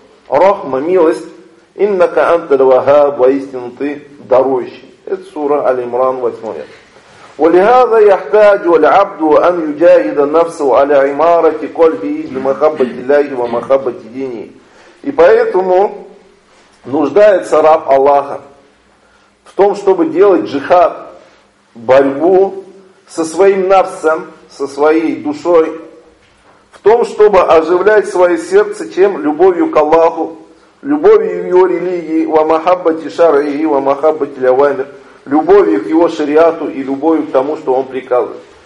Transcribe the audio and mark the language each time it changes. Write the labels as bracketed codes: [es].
[ru] Рахма, милость, [ar] иннака анталь вахаб, [ru] воистину ты дарующий. Это сура Аль-Имран, 8 аят. [ar] ولهذا يحتاج العبد أن يجاهد نفسه على عمارة قلبه لمحبة الله ومحبة دينه. [ru] И поэтому нуждается раб Аллаха в том, чтобы делать джихад, борьбу со своим нафсом, со своей душой, в том, чтобы оживлять свое сердце чем? Любовью к Аллаху, любовью к его религии, [ar] ва махаббати шарии, ва махаббати лавамир, [ru] любовью к его шариату и любовью к тому, что он приказывает.